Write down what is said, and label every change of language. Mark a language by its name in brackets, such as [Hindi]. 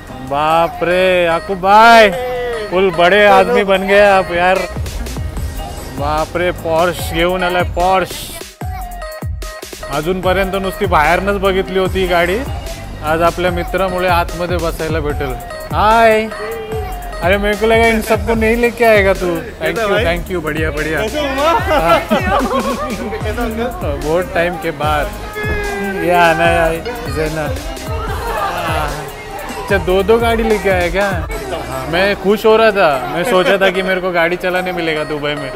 [Hindi] बाप रे याकूब भाई, फुल बड़े आदमी बन गए आप यार. [Marathi] बाप रे पोर्श घेऊन आलाय पोर्श. अजूनपर्यंत नुसती बाहेरनच बघितली होती गाडी, आज आपल्या मित्रामुळे आतमध्ये बसायला भेटेल. [English] Hi. [Hindi] अरे मेरे को लगा इन सबको नहीं लेके आएगा तू. थैंक यू बढ़िया बढ़िया. बहुत टाइम के बाद ये आना है जैना. अच्छा दो दो गाड़ी लेके आए क्या? मैं खुश हो रहा था, मैं सोचा था कि मेरे को गाड़ी चलाने मिलेगा दुबई में.